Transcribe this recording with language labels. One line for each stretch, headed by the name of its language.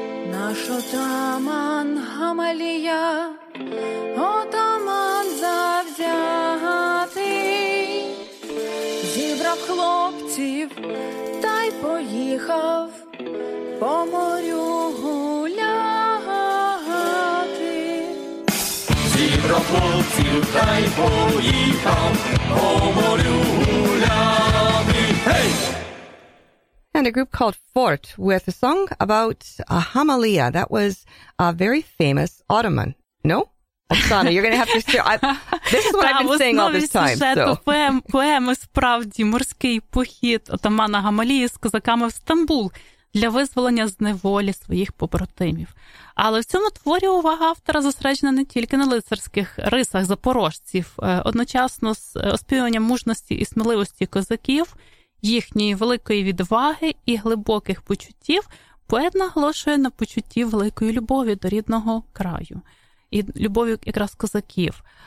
Ukrainian: Наш отаман Гамалія, отаман завзятий, зібрав хлопців та й поїхав по морю гуляти. Зібрав хлопців та й поїхав по морю гуляти. Hey!
English: And a group called Fort with a song about a Hamalia. That was a very famous Ottoman. No? Оксана, you're going to have to say... this is what I've been saying all this time.
Ukrainian: Поема справді морський похід отамана Гамалії з козаками в Стамбул для визволення з неволі своїх побратимів. Але в цьому творі увага автора зосереджена не тільки на лицарських рисах запорожців. Одночасно з оспівуванням мужності і сміливості козаків, їхньої великої відваги і глибоких почуттів, поет наголошує на почутті великої любові до рідного краю і любові якраз козаків.